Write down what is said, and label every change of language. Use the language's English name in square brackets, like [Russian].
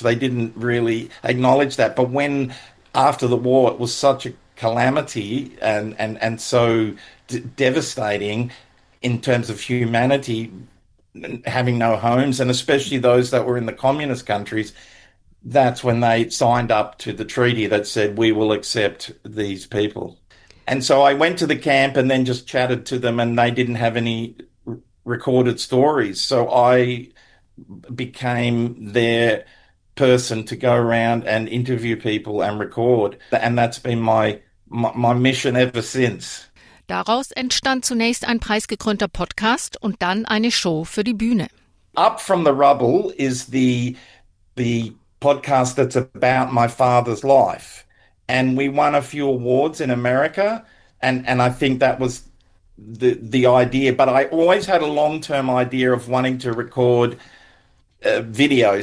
[English] They didn't really acknowledge that. But when, after the war, it was such a calamity and so devastating in terms of humanity, having no homes, and especially those that were in the communist countries, that's when they signed up to the treaty that said, we will accept these people. And so I went to the camp and then just chatted to them, and they didn't have any recorded stories. So I became their person to go around and interview people and record. And that's been my mission ever since. [German] Daraus entstand zunächst ein preisgekrönter Podcast und dann eine Show für die Bühne. [English] Up from the Rubble is the podcast that's about my father's life. And we won a few awards in America. And I think that was the idea. But I always had a long-term idea of wanting to record video.